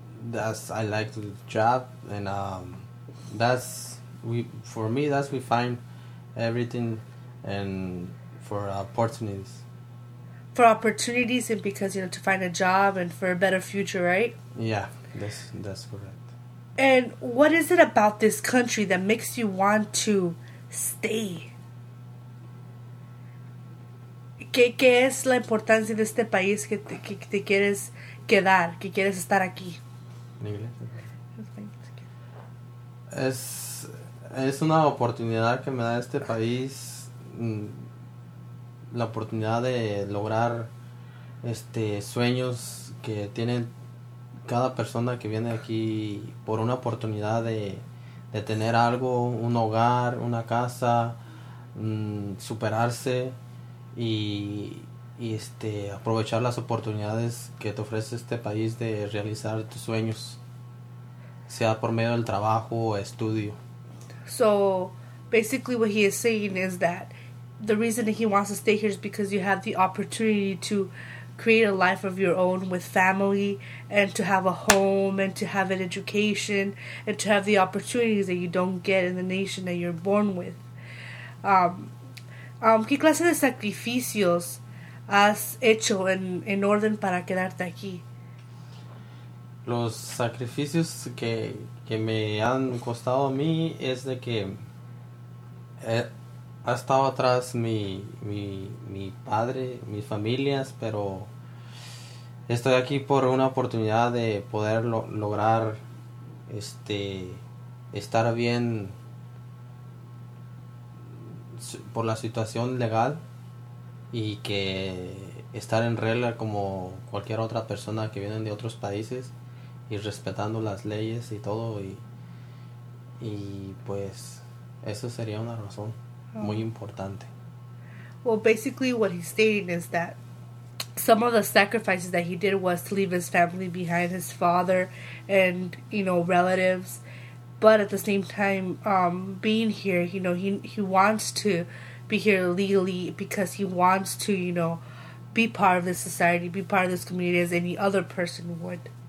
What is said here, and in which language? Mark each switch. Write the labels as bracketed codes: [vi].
[en] That's I like the job and that's we for me that's we find everything and for opportunities. For opportunities and because you know to find a job and for a better future, right? Yeah, that's correct. And what is it about this country that makes you want to stay? [es] ¿Qué es la importancia de este país que te quieres quedar, que quieres estar aquí? ¿En inglés? Es una oportunidad que me da este país, la oportunidad de lograr sueños que tienen cada persona que viene aquí por una oportunidad de tener algo, un hogar, una casa, superarse y aprovechar las oportunidades que te ofrece este país de realizar tus sueños, sea por medio del trabajo o estudio. [en] So basically what he is saying is that the reason that he wants to stay here is because you have the opportunity to create a life of your own with family and to have a home and to have an education and to have the opportunities that you don't get in the nation that you're born with. [es] ¿Qué clase de sacrificios has hecho en orden para quedarte aquí? Los sacrificios que me han costado a mí es de que ha estado atrás mi padre, mis familias, pero estoy aquí por una oportunidad de poder lograr estar bien por la situación legal y que estar en regla como cualquier otra persona que viene de otros países y respetando las leyes y todo y pues eso sería una razón muy importante. [en] Well, basically what he's stating is that some of the sacrifices that he did was to leave his family behind, his father and, you know, relatives. But at the same time, being here, you know, he wants to be here legally because he wants to, you know, be part of this society, be part of this community as any other person would.